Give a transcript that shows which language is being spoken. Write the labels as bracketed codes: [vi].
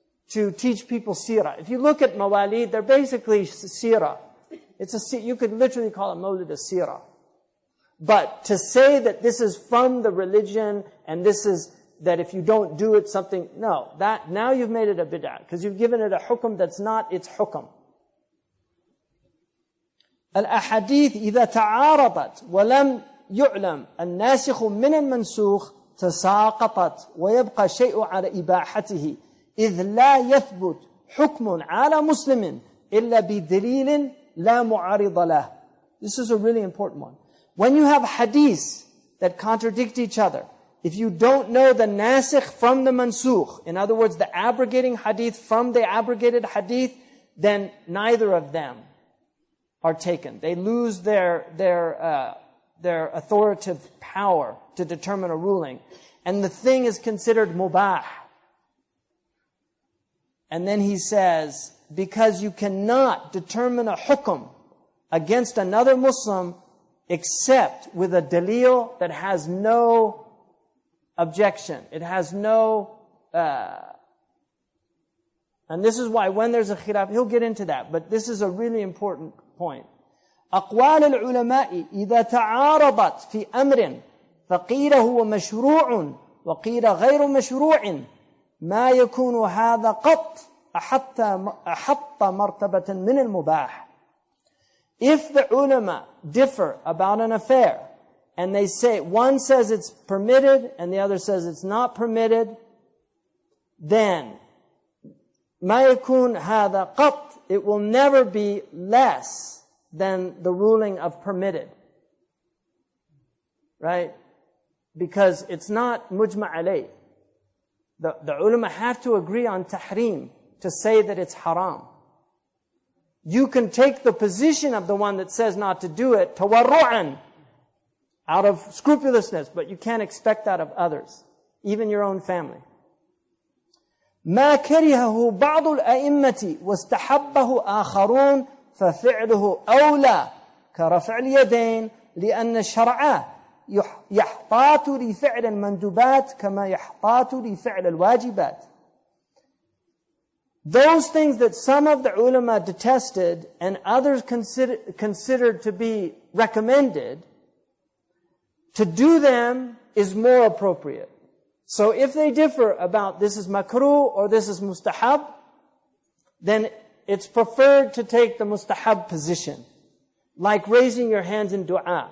[en] to teach people seerah. If you look at mawalid, they're basically seerah. You could literally call a mawlid a seerah. But to say that this is from the religion and this is that if you don't do it something, no, that now you've made it a bid'ah because you've given it a hukum that's not its hukum. [ar] الأحاديث إذا تعارضت ولم يعلم الناسخ من المنسوخ تساقطت ويبقى شيء على إباحته إذ لا يثبت حكم على مسلم إلا بدليل لا معارض له. [en] This is a really important one. When you have hadith that contradict each other, if you don't know the nasikh from the mansukh, in other words, the abrogating hadith from the abrogated hadith, then neither of them are taken. They lose their authoritative power to determine a ruling. And the thing is considered mubah. And then he says, because you cannot determine a hukum against another Muslim except with a dalil that has no objection. It has no... And this is why when there's a khilaf, he'll get into that. But this is a really important point. [ar] أقوال العلماء إذا تعارضت في أمر فقيل هو مشروع وقيل غير مشروع ما يكون هذا قط أحط مرتبة من المباح. [en] If the ulama differ about an affair and they say one says it's permitted and the other says it's not permitted, then [ar] ما يكون هذا قط, [en] it will never be less than the ruling of permitted. Right? Because it's not mujma alayh. The ulama have to agree on tahreem to say that it's haram. You can take the position of the one that says not to do it, tawarru'an, out of scrupulousness, but you can't expect that of others, even your own family. [ar] مَا كَرِهَهُ بَعْضُ الْأَئِمَّةِ وَاسْتَحَبَّهُ آخَرُونَ ففعله أولى كرفع اليدين لأن الشرع يحطات لفعل المندوبات كما يحطات لفعل الواجبات. [en] Those things that some of the ulama detested and others considered to be recommended, to do them is more appropriate. So if they differ about this is makruh or this is mustahab, then it's preferred to take the mustahab position, like raising your hands in dua.